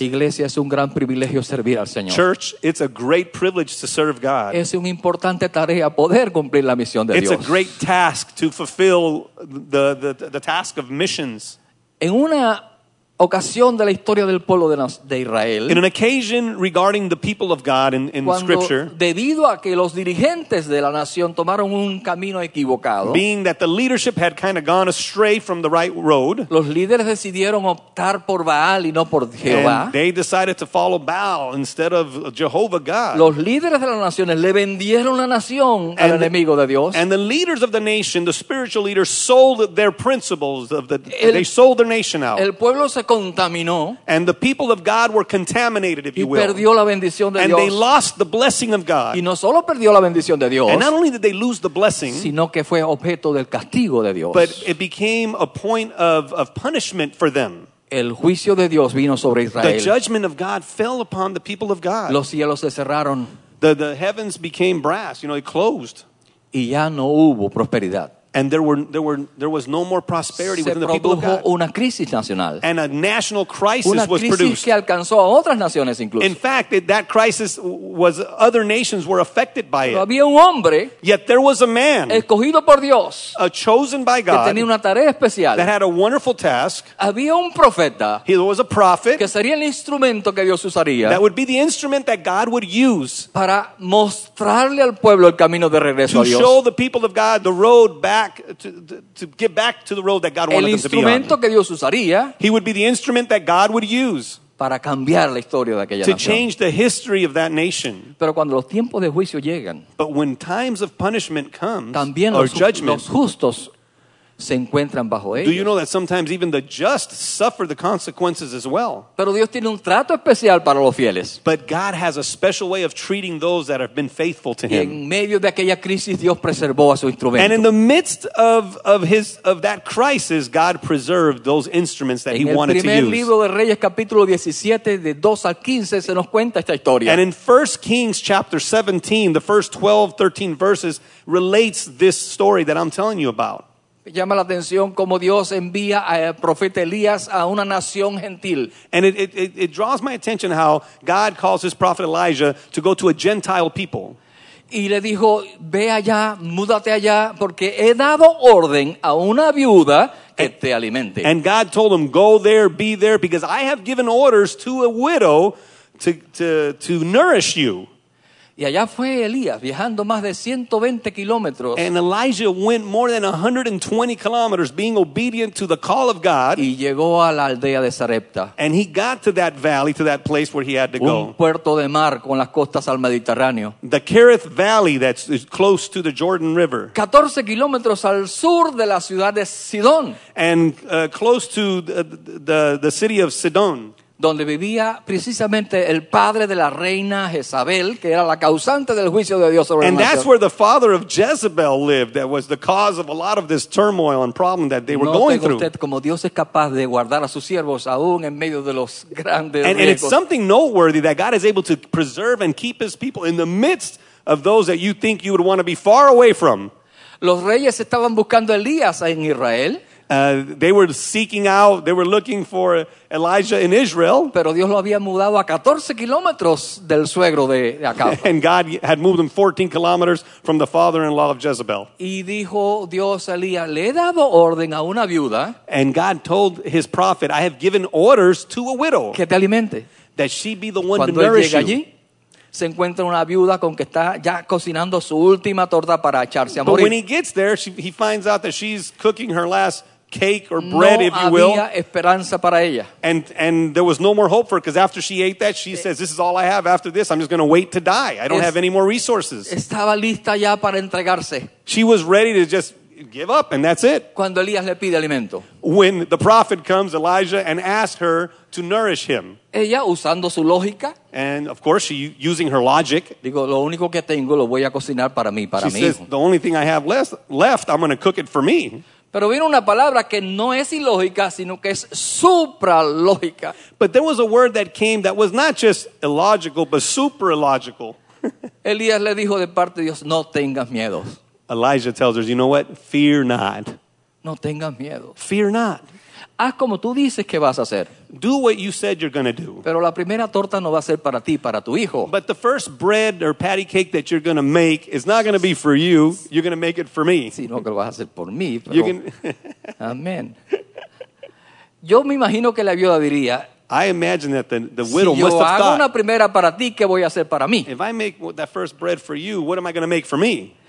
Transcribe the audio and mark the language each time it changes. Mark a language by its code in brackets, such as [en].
[es] Iglesia, es un gran privilegio servir al Señor. [en] Church, it's a great privilege to serve God. [es] Es una importante tarea poder cumplir la misión de Dios. [en] It's a great task to fulfill the task of missions. [es] En una ocasión de la historia del pueblo de Israel. [en] In an occasion regarding the people of God in [es] cuando, [en] scripture. [es] Debido a que los dirigentes de la nación tomaron un camino equivocado. [en] Being that the leadership had kind of gone astray from the right road. [es] Los líderes decidieron optar por Baal y no por Jehová. [en] And they decided to follow Baal instead of Jehovah God. [es] Los líderes de las naciones le vendieron la nación al enemigo de Dios. [en] And the leaders of the nation, the spiritual leaders, sold their principles of the they sold their nation out. [es] El pueblo se contaminó, [en] and the people of God were contaminated, if you will. [es] Y perdió la bendición de [en] and [es] Dios. [en] They lost the blessing of God. [es] Y no solo perdió la bendición de Dios, [en] and not only did they lose the blessing, [es] sino que fue objeto del castigo de Dios. [en] But it became a point of punishment for them. [es] El juicio de Dios vino sobre Israel. [en] The judgment of God fell upon the people of God. [es] Los cielos se cerraron. [en] The heavens became brass. You know, it closed. [es] Y ya no hubo prosperidad. [en] And there was no more prosperity [es] se [en] within the people of God. [es] Una crisis nacional. [en] And a national crisis, [es] una crisis [en] was produced. [es] Que alcanzó a otras naciones incluso. [en] In fact, that crisis was other nations were affected by it. [es] Pero había un hombre, [en] yet there was a man [es] escogido por Dios, [en] a chosen by God [es] que tenía una tarea especial, [en] that had a wonderful task. [es] Había un profeta, [en] he was a prophet [es] que sería el instrumento que Dios usaría, [en] that would be the instrument that God would use [es] para mostrarle al pueblo el camino de regreso [en] to [es] a Dios. [en] Show the people of God the road back to get back to the road that God wanted [es] el instrumento [en] them to be [es] que Dios usaría, [en] he would be the instrument that God would use [es] para cambiar la historia de aquella [en] to [es] nación. [en] Change the history of that nation. [es] Pero cuando los tiempos de juicio llegan, [en] but when times of punishment comes, [es] también [en] or judgment, [es] los justos se encuentran bajo ellos. [en] Do you know that sometimes even the just suffer the consequences as well? [es] Pero Dios tiene un trato especial para los fieles. [en] But God has a special way of treating those that have been faithful to him. [es] Y en medio de aquella crisis, Dios preservó a su instrumento. [en] And in the midst of that crisis, God preserved those instruments that [es] en [en] he wanted to use. [es] En el libro de Reyes capítulo 17 de 2 al 15 se nos cuenta esta historia. [en] And in 1 Kings chapter 17, the first 12, 13 verses relates this story that I'm telling you about. [es] Llama la atención cómo Dios envía al profeta Elías a una nación gentil. [en] And it draws my attention how God calls his prophet Elijah to go to a Gentile people. [es] Y le dijo, ve allá, múdate allá, porque he dado orden a una viuda que te alimente. [en] And God told him, go there, be there, because I have given orders to a widow to nourish you. [es] Y allá fue Elías viajando más de 120 kilómetros. [en] And Elijah went more than 120 kilometers being obedient to the call of God. [es] Y llegó a la aldea de Sarepta. [en] And he got to that valley, to that place where he had to [es] un [en] go. [es] Un puerto de mar con las costas al Mediterráneo. [en] The Kereth Valley that's close to the Jordan River. [es] 14 kilómetros al sur de la ciudad de Sidón. [en] And close to the city of Sidón. [es] Donde vivía precisamente el padre de la reina Jezabel, que era la causante del juicio de Dios sobre la nación. [en] And that's where the father of Jezebel lived, that was the cause of a lot of this turmoil and problem that they were going through. [es] Note usted como Dios es capaz de guardar a sus siervos aún en medio de los grandes riesgos. [en] And it's something noteworthy that God is able to preserve and keep his people in the midst of those that you think you would want to be far away from. [es] Los reyes estaban buscando a Elías en Israel. [en] They were seeking out, they were looking for Elijah in Israel. [es] Pero Dios lo había mudado a 14 kilómetros del suegro de Acab. [en] And God had moved him 14 kilometers from the father-in-law of Jezebel. [es] Y dijo Dios a Elías, le he dado orden a una viuda. [en] And God told his prophet, I have given orders to a widow. [es] Que te alimente. [en] That she be the one [es] cuando [en] to nourish [es] llega allí, [en] you. [es] Se encuentra una viuda con que está ya cocinando su última torta para echarse a morir. [en] But when he gets there, he finds out that she's cooking her last cake or bread, [es] no [en] if you will. [es] Había esperanza para ella. [en] And there was no more hope for her because after she ate that, she says, this is all I have after this. I'm just going to wait to die. I don't have any more resources. [es] Estaba lista ya para entregarse. [en] She was ready to just give up and that's it. [es] Cuando Elías le pide alimento. [en] when the prophet comes, Elijah, and asked her to nourish him. [es] Ella usando su lógica. [en] And of course, she using her logic. [es] Digo, lo único que tengo lo voy a cocinar para mí, para [en] mí. She says, the only thing I have left, I'm going to cook it for me. [es] Pero vino una palabra que no es ilógica, sino que es supralógica. [en] But there was a word that came that was not just illogical, but super illogical. [es] Elías le dijo de parte de Dios, no tengas miedo. [en] Elijah tells her, you know what? Fear not. [es] No tengas miedo. [en] Fear not. [es] Haz como tú dices que vas a hacer. [en] Do what you said you're going to do. [es] Pero la primera torta no va a ser para ti, para tu hijo. [en] But the first bread or patty cake that you're going to make is not going to be for you. You're going to make it for me. [es] Sí, no, que lo vas a hacer por mí. Pero... [en] You can... [es] Amen. Yo me imagino que la viuda diría... [en] I imagine that the widow must have thought... [es] Si yo hago una primera para ti, ¿qué voy a hacer para mí? [en] If I make that first bread for you, what am I going to make for me?